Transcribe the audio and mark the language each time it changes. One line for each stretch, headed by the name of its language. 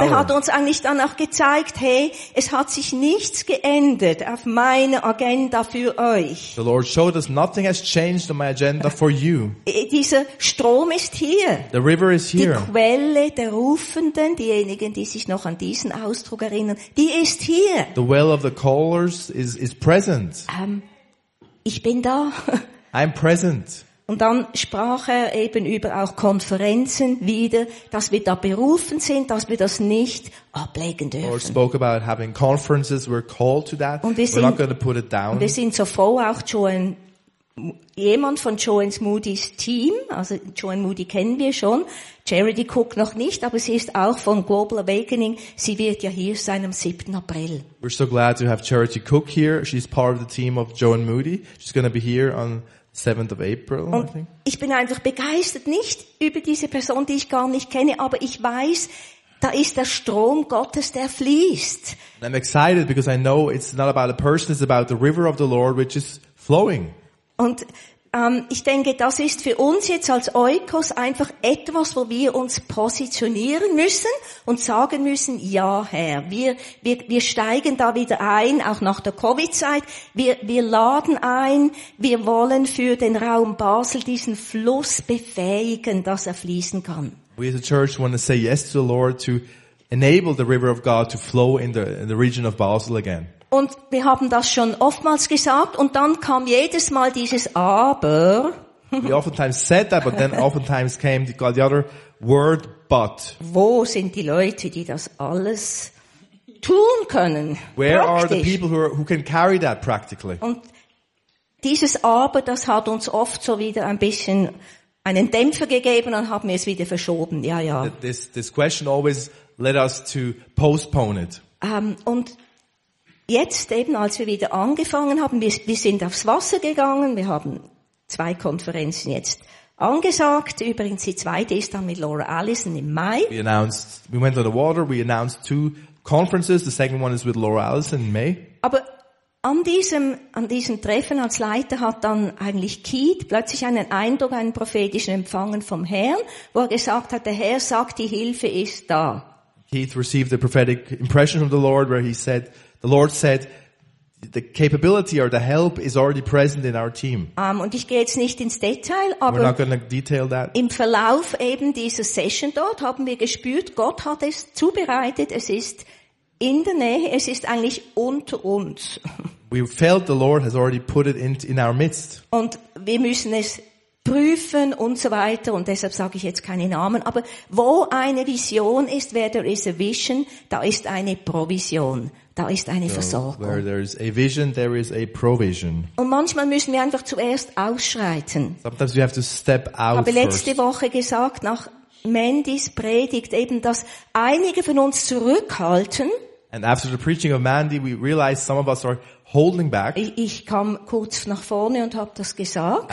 German: Und er hat uns eigentlich dann auch gezeigt, hey, es hat sich nichts geändert auf meiner Agenda für euch.
English: The Lord showed us nothing has changed on my agenda for you.
German: Dieser Strom ist hier.
English: The river is here.
German: Die Quelle der Rufenden, diejenigen, die sich noch an diesen Ausdruck erinnern, die ist hier.
English: The well of the callers is present.
German: Ich bin da.
English: I'm present.
German: Und dann sprach er eben über auch Konferenzen wieder, dass wir da berufen sind, dass wir das nicht ablegen dürfen.
English: Or spoke about having conferences, we're called to that.
German: Und
English: we're not going to put it down.
German: Und wir sind so froh, auch jemand von Joanne Moody's Team, also Joanne Moody kennen wir schon, Charity Cook noch nicht, aber sie ist auch von Global Awakening, sie wird ja hier sein am 7. April.
English: We're so glad to have Charity Cook here, she's part of the team of Joanne Moody, she's going to be here on 7th of April,
German: und
English: I think.
German: Ich bin einfach begeistert, nicht über diese Person, die ich gar nicht kenne, aber ich weiß, Da ist der Strom Gottes, der fließt.
English: I'm excited because I know it's not about a person, it's about the river of the Lord which is flowing.
German: Und ich denke, das ist für uns jetzt als Oikos einfach etwas, wo wir uns positionieren müssen und sagen müssen, ja Herr, wir steigen da wieder ein, auch nach der Covid-Zeit, wir laden ein, wir wollen für den Raum Basel diesen Fluss befähigen, dass er fließen kann.
English: We as a church want to say yes to the Lord to enable the river of God to flow in the region of Basel again.
German: Und wir haben das schon oftmals gesagt und dann kam jedes Mal dieses Aber.
English: We oftentimes said that, but then oftentimes came the other word, but.
German: Wo sind die Leute, die das alles tun können?
English: Where
German: praktisch?
English: Are the people who can carry that practically?
German: Und dieses Aber, das hat uns oft so wieder ein bisschen einen Dämpfer gegeben und haben es wieder verschoben. Ja, ja.
English: This question always led us to postpone it.
German: Und jetzt eben, als wir wieder angefangen haben, wir sind aufs Wasser gegangen, wir haben zwei Konferenzen jetzt angesagt. Übrigens, die zweite ist dann mit Laura Allison im Mai.
English: We went on the water, we announced two conferences, the second one is with Laura Allison in May.
German: Aber an diesem Treffen als Leiter hat dann eigentlich Keith plötzlich einen Eindruck, einen prophetischen Empfangen vom Herrn, wo er gesagt hat, der Herr sagt, die Hilfe ist da.
English: Keith received a prophetic impression from the Lord where he said, the Lord said, the capability or the help is already present in our team.
German: Und ich gehe jetzt nicht ins Detail, aber
English: we're not going to detail that.
German: Im Verlauf eben dieser Session dort haben wir gespürt, Gott hat es zubereitet, es ist in der Nähe, es ist eigentlich unter uns.
English: We felt the Lord has already put it in our midst.
German: Und wir müssen es prüfen und so weiter, und deshalb sage ich jetzt keine Namen, aber wo eine Vision ist,
English: where there is a vision,
German: da ist eine Provision. Da ist eine Versorgung.
English: Where there is a vision, there is a provision.
German: Und manchmal müssen wir einfach zuerst ausschreiten.
English: Sometimes we have to step out.
German: Ich habe letzte
English: first.
German: Woche gesagt, nach Mandys Predigt, eben, dass einige von uns zurückhalten.
English: And after the preaching of Mandy, we realized some of us are holding back.
German: Ich kam kurz nach vorne und habe das gesagt.